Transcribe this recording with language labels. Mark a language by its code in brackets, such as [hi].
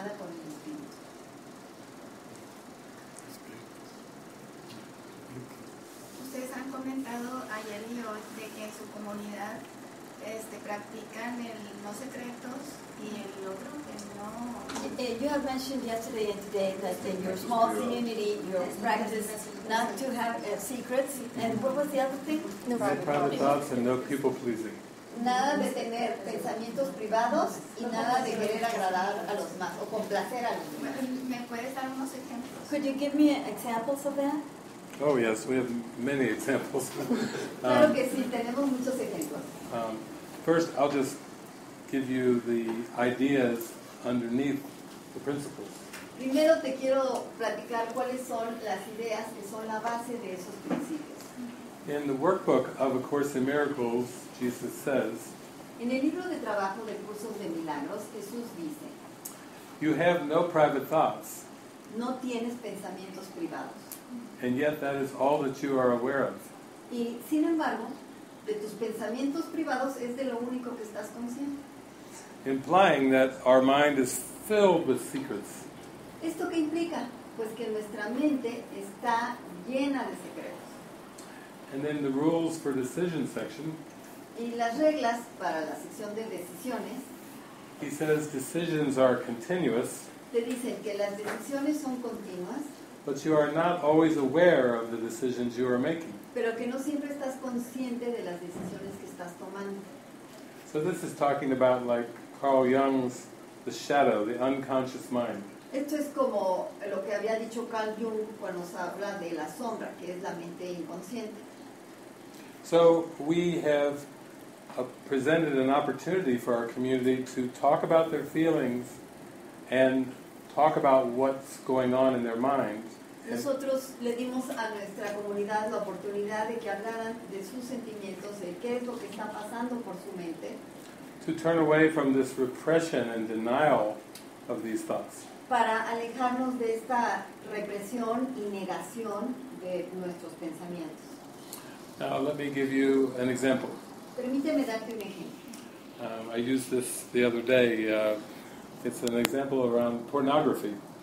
[es] alineada con mi espíritu. Ustedes han comentado ayer y hoy de que en su comunidad practican el no secretos y el otro, el no... [en] You have mentioned yesterday and today that in your small community you practice not to have secrets. And what was the other thing? No private thoughts and no people pleasing. [es] Nada de tener pensamientos privados y nada de querer agradar a los más o complacer a los demás. ¿Me puedes dar unos ejemplos? [en] Could you give me examples of that? Oh yes, we have many examples. [es] Claro que sí, tenemos muchos ejemplos. [en] First, I'll just give you the ideas underneath the principles. [es] Primero te quiero platicar cuáles son las ideas que son la base de esos principios. [en] In the workbook of A Course in Miracles, Jesus says, [es] en el libro de trabajo de cursos de milagros, Jesús dice, [en] you have no private thoughts. [es] No tienes pensamientos privados. [en] And yet that is all that you are aware of. [es] Y sin embargo, de tus pensamientos privados es de lo único que estás consciente. [en] Implying that our mind is filled with secrets. [es] ¿Esto qué implica? Pues que nuestra mente está llena de secretos. [en] And then the rules for decision section. [es] Y las reglas para la sección de decisiones. [en] He says decisions are continuous. [es] Te dicen que las decisiones son continuas. [en] But you are not always aware of the decisions you are making. [es] Pero que no siempre estás consciente de las decisiones que estás tomando. [en] So this is talking about like Carl Jung's the shadow, the unconscious mind. [es] Esto es como lo que había dicho Carl Jung cuando se habla de la sombra, que es la mente inconsciente. [en] So we have presented an opportunity for our community to talk about their feelings and talk about what's going on in their mind. [es] Nosotros le dimos a nuestra comunidad la oportunidad de que hablaran de sus sentimientos, de qué es lo que está pasando por su mente. [en] To turn away from this repression and denial of these thoughts. [es] Para alejarnos de esta represión y negación de nuestros pensamientos. [en] Now let me give you an example. [es] Permíteme darte un ejemplo. [en] I used this the other day. It's an example around pornography.